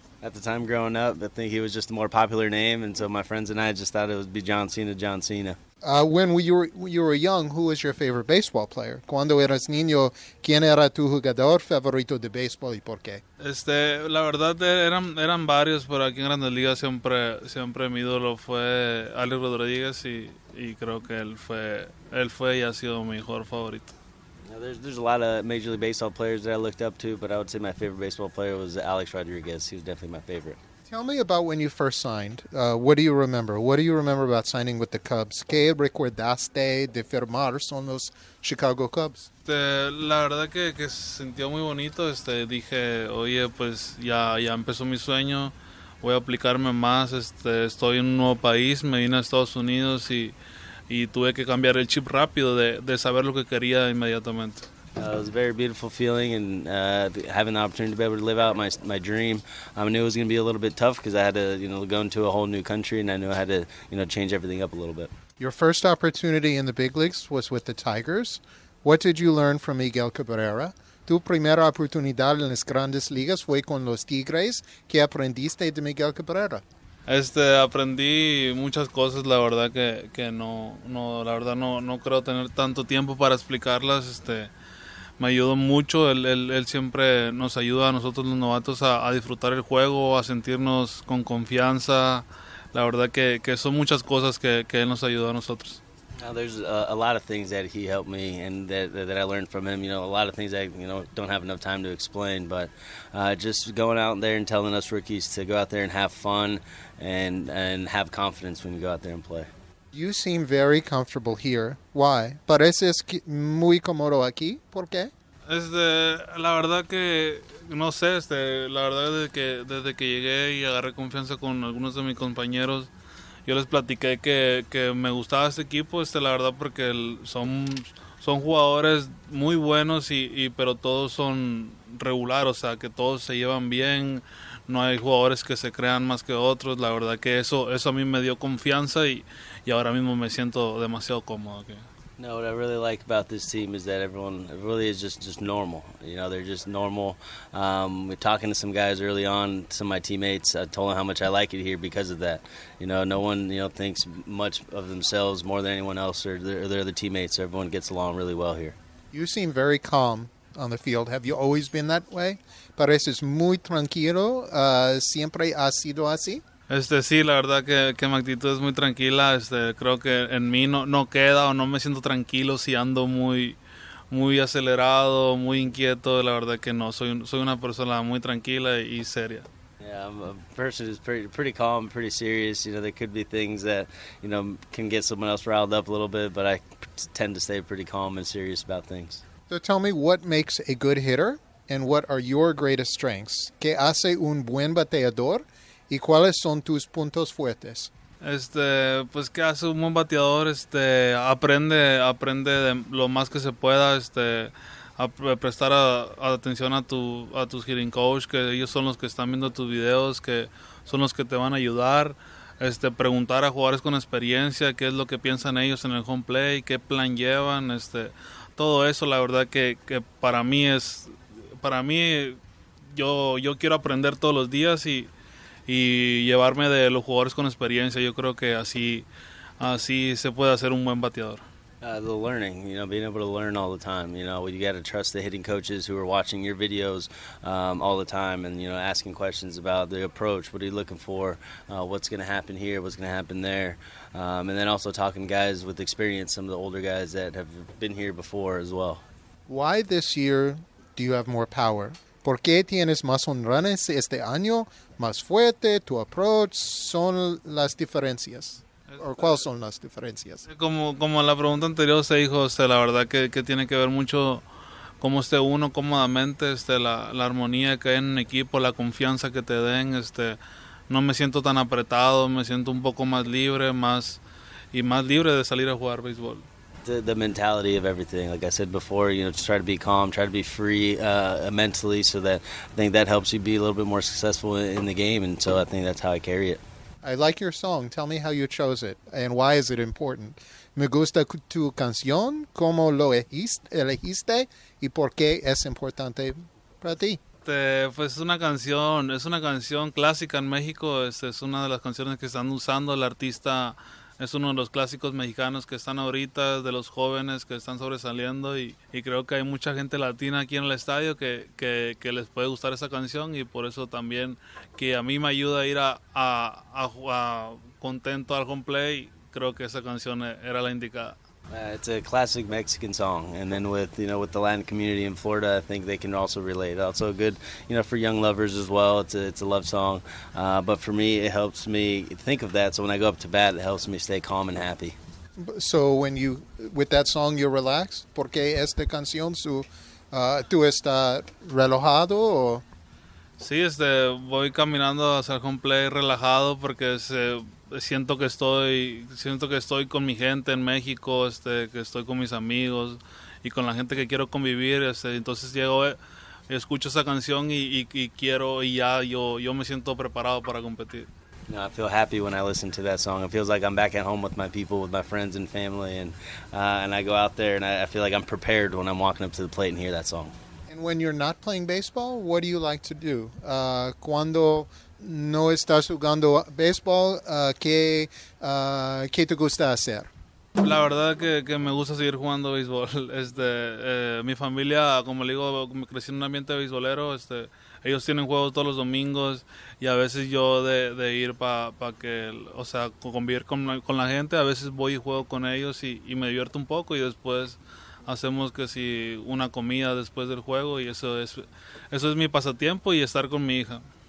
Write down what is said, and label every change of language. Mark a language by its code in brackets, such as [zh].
[en] At the time growing up, I think he was just a more popular name, and so my friends and I just thought it would be John Cena. When you were young, who was your favorite baseball player? [es] Cuando eras niño, ¿quién era tu jugador favorito de béisbol y por qué? La verdad eran varios, pero aquí en Grandes Ligas siempre mi ídolo fue Alex Rodriguez, y creo que él fue y ha sido mi jugador favorito. [en] Now, there's a lot of Major League Baseball players that I looked up to, but I would say my favorite baseball player was Alex Rodriguez. He was definitely my favorite. Tell me about when you first signed. What do you remember? What do you remember about signing with the Cubs? [es] ¿Qué recordaste de firmar son los Chicago Cubs? La verdad que sentí muy bonito. Dije, oye, pues ya empezó mi sueño. Voy a aplicarme más. Estoy en un nuevo país. Me vine a Estados Unidos y tuve que cambiar el chip rápido de saber lo que quería inmediatamente. [en] It was a very beautiful feeling, and having the opportunity to be able to live out my dream. I knew it was going to be a little bit tough because I had to, you know, go into a whole new country, and I knew I had to, you know, change everything up a little bit. Your first opportunity in the big leagues was with the Tigers. What did you learn from Miguel Cabrera? [es] Tu primera oportunidad en las Grandes Ligas fue con los Tigres. ¿Qué aprendiste de Miguel Cabrera? Aprendí muchas cosas, la verdad que no creo tener tanto tiempo para explicarlas. Me ayudó mucho, él siempre nos ayuda a nosotros los novatos a disfrutar el juego, a sentirnos con confianza. La verdad que son muchas cosas que él nos ayudó a nosotros. [en] Now, there's a lot of things that he helped me and that I learned from him, you know, a lot of things I, you know, don't have enough time to explain, but just going out there and telling us rookies to go out there and have fun and have confidence when you go out there and play. You seem very comfortable here. Why? [es] Pareces muy cómodo aquí. ¿Por qué? La verdad que no sé, la verdad es que desde que llegué y agarré confianza con algunos de mis compañeros, yo les platiqué que me gustaba este equipo, la verdad, porque son jugadores muy buenos y pero todos son regular, o sea, que todos se llevan bien, no hay jugadores que se crean más que otros. La verdad que eso a mí me dio confianza y ahora mismo me siento demasiado cómodo aquí. [en] No, what I really like about this team is that everyone really is just normal. You know, they're just normal. We're talking to some guys early on, some of my teammates. I told them how much I like it here because of that. You know, no one, you know, thinks much of themselves more than anyone else or they're the teammates. Everyone gets along really well here. You seem very calm on the field. Have you always been that way? [es] Pareces muy tranquilo. ¿Siempre has sido así? Sí, la verdad que mi actitud es muy tranquila. Creo que en mí no queda o no me siento tranquilo si ando muy muy acelerado, muy inquieto. La verdad que no, soy una persona muy tranquila y seria. [en] Yeah, I'm a person who's pretty calm, pretty serious. You know, there could be things that, you know, can get someone else riled up a little bit, but I tend to stay pretty calm and serious about things. So tell me, what makes a good hitter and what are your greatest strengths? [es] ¿Qué hace un buen bateador y cuáles son tus puntos fuertes? Pues que hace un buen bateador, aprende de lo más que se pueda, prestar atención a tus hitting coach, que ellos son los que están viendo tus videos, que son los que te van a ayudar, preguntar a jugadores con experiencia qué es lo que piensan ellos en el home play, qué plan llevan, todo eso. La verdad que para mí yo quiero aprender todos los días y llevarme de los jugadores con experiencia. Yo creo que así se puede hacer un buen bateador. [en] The learning, you know, being able to learn all the time. You know, you got to trust the hitting coaches who are watching your videos all the time and, you know, asking questions about the approach. What are you looking for? What's going to happen here? What's going to happen there? And then also talking to guys with experience, some of the older guys that have been here before as well. Why this year do you have more power? [es] ¿Por qué tienes más honrones este año? ¿Más fuerte tu approach? ¿Son las diferencias? ¿O cuáles son las diferencias? Como la pregunta anterior se dijo, la verdad que tiene que ver mucho cómo esté uno cómodamente, la armonía que hay en un equipo, la confianza que te den. No me siento tan apretado, me siento un poco más libre, más libre de salir a jugar béisbol. [en] The mentality of everything, like I said before, you know, just try to be calm, try to be free mentally, so that I think that helps you be a little bit more successful in the game, and so I think that's how I carry it. I like your song. Tell me how you chose it and why is it important. [es] Me gusta tu canción, cómo lo elegiste y por qué es importante para ti. Pues es una canción clásica en México. Es una de las canciones que están usando el artista. Es uno de los clásicos mexicanos que están ahorita, de los jóvenes que están sobresaliendo, y creo que hay mucha gente latina aquí en el estadio que les puede gustar esa canción, y por eso también que a mí me ayuda a ir a contento al home play. Creo que esa canción era la indicada. [en] It's a classic Mexican song, and then with the Latin community in Florida, I think they can also relate. Also good, you know, for young lovers as well. It's a love song, but for me, it helps me think of that. So when I go up to bat, it helps me stay calm and happy. So when you with that song, you're relaxed. [es] ¿Por qué esta canción? ¿Tú estás relajado? O? Sí, voy caminando hacia el home plate relajado porque es. Siento que estoy con mi gente en México, que estoy con mis amigos y con la gente que quiero convivir, entonces llego, escucho esa canción y quiero y ya yo me siento preparado para competir. [en] No, I feel happy when I listen to that song. It feels like I'm back at home with my people, with my friends and family, and I go out there and I feel like I'm prepared when I'm walking up to the plate and hear that song. And when you're not playing baseball, what do you like to do? [es] Cuando no estás jugando béisbol, ¿qué te gusta hacer? La verdad que me gusta seguir jugando béisbol. Mi familia, como le digo, me crecí en un ambiente beisbolero. Ellos tienen juegos todos los domingos y a veces yo de ir para convivir con la gente, a veces voy y juego con ellos y me divierto un poco y después hacemos que si una comida después del juego y eso es mi pasatiempo y estar con mi hija.